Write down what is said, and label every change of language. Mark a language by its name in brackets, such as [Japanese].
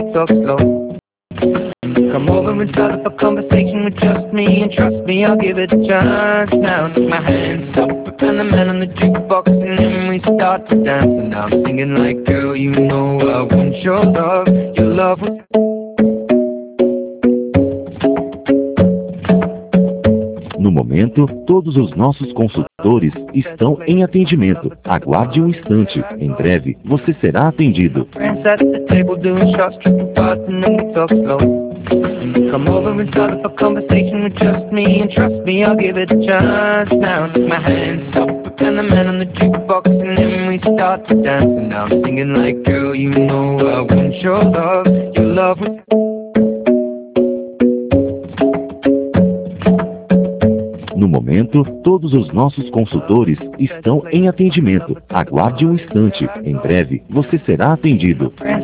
[English] Come over and start up a conversation with just me, and trust me, I'll give it a chance. Now I lift my hands up, I found the man on the jukebox, and then we start to dance. And now I'm singing like, girl, you know I want your love was... [Portuguese] No momento, todos os nossos consultores estão em atendimento. Aguarde um instante. Em breve, você será atendido. [English] Come over and start up a conversation with just me, and trust me, I'll give it a chance. Now I lift my hands up, I found the man on the jukebox, and then we start to dance. And now I'm singing like, girl, you know I want your love was... [Portuguese] No momento, todos os nossos consultores estão em atendimento. Aguarde um instante. Em breve, você será atendido.